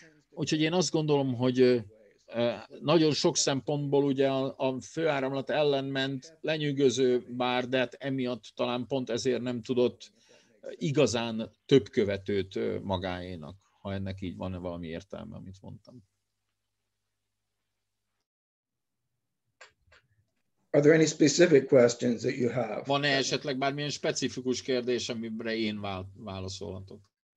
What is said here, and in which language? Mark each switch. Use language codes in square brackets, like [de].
[hu] Úgyhogy én azt gondolom, hogy nagyon sok szempontból ugye a főáramlat ellen ment, lenyűgöző bár, de hát emiatt talán pont ezért nem tudott igazán több követőt magáénak, ha ennek így van valami értelme, amit mondtam. [en] Are there any specific questions that you have? [hu] Van-e esetleg bármilyen specifikus kérdés, amire én válaszolhatok?